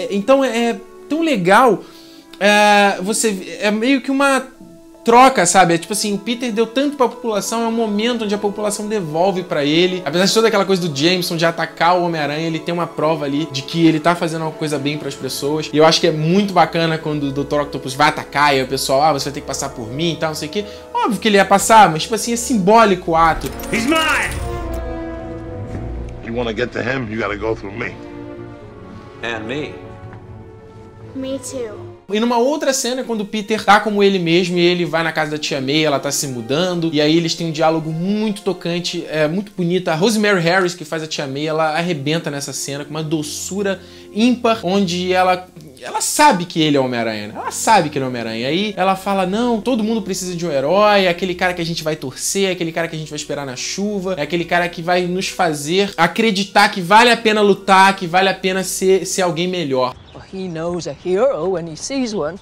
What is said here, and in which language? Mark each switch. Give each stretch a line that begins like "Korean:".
Portuguese: Então é tão legal. É meio que uma troca, sabe? É tipo assim, o Peter deu tanto pra população, é um momento onde a população devolve pra ele. Apesar de toda aquela coisa do Jameson de atacar o Homem-Aranha, ele tem uma prova ali de que ele tá fazendo uma coisa bem pras pessoas. E eu acho que é muito bacana quando o Dr. Octopus vai atacar e o pessoal: ah, você vai ter que passar por mim e tal, não sei o quê. Óbvio que ele ia passar, mas tipo assim, é simbólico o ato.
English: He's mine! If you wanna get to him, you gotta go through me. And me. Me too.
Portuguese: E numa outra cena, quando o Peter tá como ele mesmo e ele vai na casa da tia May, ela tá se mudando, e aí eles têm um diálogo muito tocante, é muito bonita. A Rosemary Harris, que faz a tia May, ela arrebenta nessa cena com uma doçura ímpar, onde ela sabe que ele é Homem-Aranha, né? Ela sabe que ele é Homem-Aranha. Aí ela fala, não, todo mundo precisa de um herói, é aquele cara que a gente vai torcer, é aquele cara que a gente vai esperar na chuva, é aquele cara que vai nos fazer acreditar que vale a pena lutar, que vale a pena ser alguém melhor.
English: He knows a hero when he sees one.